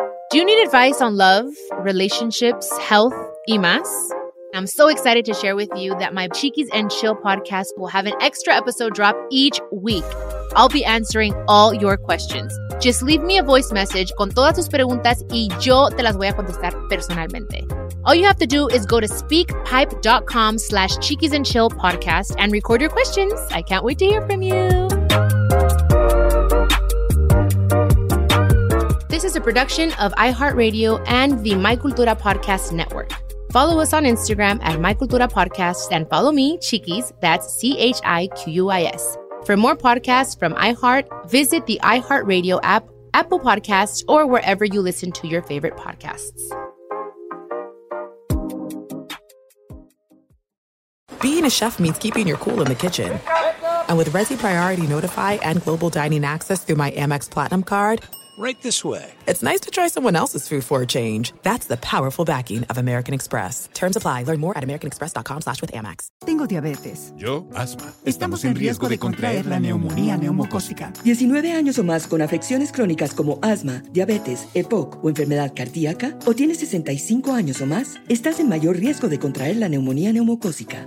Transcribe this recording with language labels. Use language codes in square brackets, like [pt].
[en] Do you need advice on love, relationships, health, [es] y más? [en] I'm so excited to share with you that my Cheekies and Chill podcast will have an extra episode drop each week. I'll be answering all your questions. Just leave me a voice message [es] con todas tus preguntas y yo te las voy a contestar personalmente. [en] All you have to do is go to speakpipe.com/cheekiesandchillpodcast and record your questions. I can't wait to hear from you. This is a production of iHeartRadio and the My Cultura Podcast Network. Follow us on Instagram at My Cultura Podcast and follow me, Cheekies, that's C-H-I-Q-U-I-S. For more podcasts from iHeart, visit the iHeartRadio app, Apple Podcasts, or wherever you listen to your favorite podcasts. Being a chef means keeping your cool in the kitchen. And with Resi Priority Notify and Global Dining Access through my Amex Platinum card, right this way, it's nice to try someone else's food for a change. That's the powerful backing of American Express. Terms apply. Learn more at americanexpress.com/withAmex. [es] Tengo diabetes. Yo, asma. Estamos en riesgo de contraer la neumonía neumocócica. 19 años o más con afecciones crónicas como asma, diabetes, EPOC o enfermedad cardíaca, o tienes 65 años o más, estás en mayor riesgo de contraer la neumonía neumocócica.